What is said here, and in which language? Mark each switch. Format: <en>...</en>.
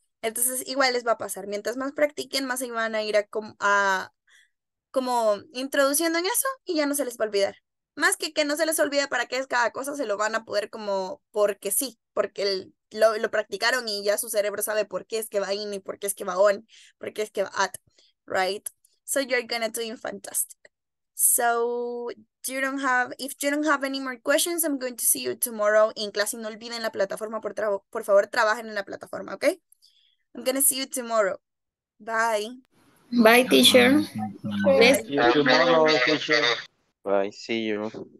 <es>Entonces igual les va a pasar, mientras más practiquen más se van a ir como introduciendo en eso y ya no se les va a olvidar, más que no se les olvide para qué es cada cosa, se lo van a poder como porque sí, porque lo practicaron y ya su cerebro sabe por qué es que va in y por qué es que va on, por qué es que va at, right?</es> <en>So you're gonna do fantastic. So if you don't have any more questions, I'm going to see you tomorrow in class.</en> <es>Y no olviden la plataforma, por favor, trabajen en la plataforma, okay?</es> <en>I'm going to see you tomorrow. Bye. Bye, teacher. Bye. See you tomorrow, teacher. Bye, see you.</en>